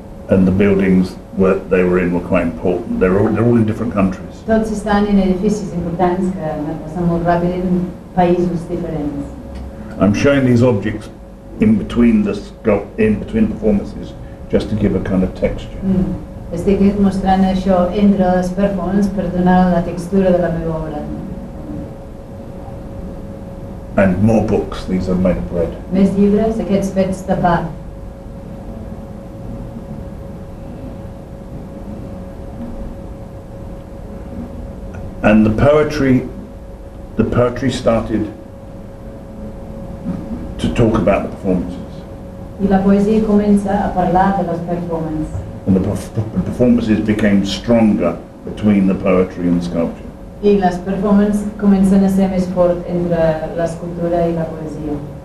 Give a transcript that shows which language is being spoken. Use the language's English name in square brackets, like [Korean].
[English] And the buildings where they were in were quite important. They're all in different countries. [Catalan] Tots estan en edificis importants que han passat molt ràpid en països diferents. [English] I'm showing these objects in between performances just to give a kind of texture. [Catalan] Estic mostrant això entre les performances per donar la textura de la meva obra. [English] And more books. These are made of bread. [Catalan] Més llibres, aquests fets de pa. [English] And the poetry started to talk about the performances. [Catalan] I la poesia comença a parlar de les performances. [English] And the performances became stronger between the poetry and the sculpture. [Catalan] I les performances comencen a ser més fort entre l'escultura i la poesia.